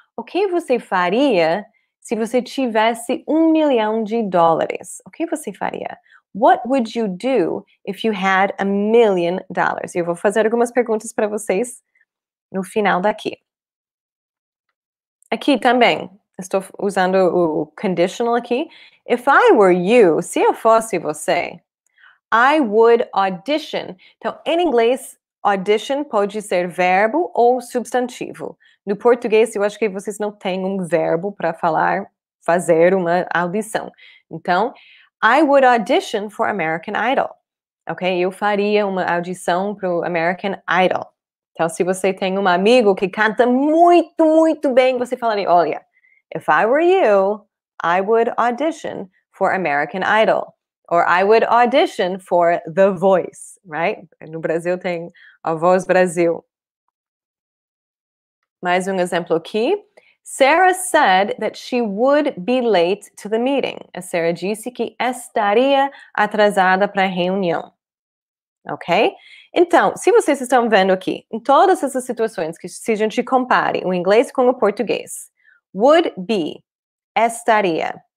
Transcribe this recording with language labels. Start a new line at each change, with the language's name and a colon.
Portuguese: O que você faria se você tivesse $1 million? O que você faria?
English: What would you do if you had $1 million?
Portuguese: Eu vou fazer algumas perguntas para vocês no final daqui. Aqui também, estou usando o conditional aqui.
English: If I were you,
Portuguese: se eu fosse você,
English: I would audition.
Portuguese: Então, em inglês, audition pode ser verbo ou substantivo. No português, eu acho que vocês não têm verbo para falar, fazer uma audição.
English: Então, I would audition for American Idol. Ok?
Portuguese: Eu faria uma audição para o American Idol. Então, se você tem um amigo que canta muito, muito bem, você falaria, olha,
English: if I were you, I would audition for American Idol. Or I would audition for The Voice, right?
Portuguese: No Brasil tem A Voz Brasil. Mais um exemplo aqui.
English: Sarah said that she would be late to the meeting.
Portuguese: A Sarah disse que estaria atrasada para a reunião. Ok? Então, se vocês estão vendo aqui, em todas essas situações, que se a gente compare o inglês com o português, would be, estaria.